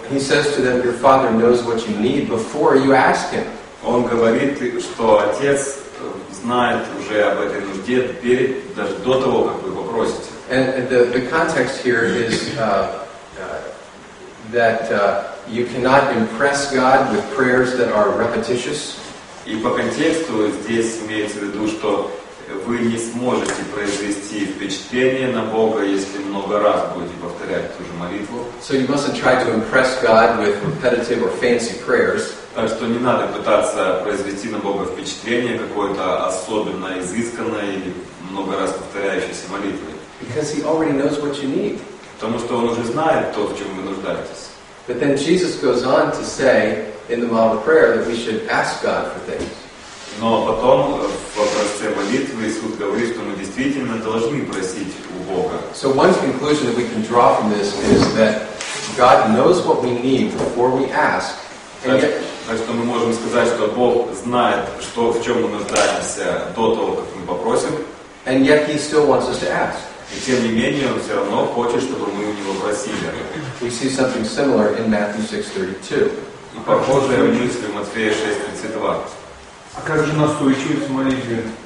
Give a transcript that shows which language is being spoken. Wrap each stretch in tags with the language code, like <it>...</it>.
<en>he says to them, your father knows what you need before you ask him.</en> <ru>Он говорит, что отец знает уже об этой нужде перед, даже до того, как вы попросите.</ru> <en>And the context here is that you cannot impress God with prayers that are repetitious.</en> <ru>И по контексту здесь имеется в виду, что вы не сможете произвести впечатление на Бога, если много раз будете повторять ту же молитву.</ru> <en>So you mustn't try to impress God with repetitive or fancy prayers.</en> <ru>Так что не надо пытаться произвести на Бога впечатление какое-то особенно изысканное или много раз повторяющейся молитвой.</ru> <en>Because he already knows what you need.</en> <ru>Потому что он уже знает то, в чем вы нуждаетесь.</ru> <en>But then Jesus goes on to say in the model prayer that we should ask God for things.</en> <ru>Но потом в образце молитвы Иисус говорит, что мы действительно должны просить у Бога.</ru> <en>So one conclusion that we can draw from this is that God knows what we need before we ask.</en> <ru>Так что мы можем сказать, что Бог знает, что в чем мы нуждаемся до того, как мы попросим.</ru> <en>And yet He still wants us to ask.</en> <ru>И тем не менее, он все равно хочет, чтобы мы у него просили.</ru> <en>We see something similar in Matthew 6:32.</en> <ru>И похожая мысль в Матфея 6:32. А как же настойчивость в молитве?</ru>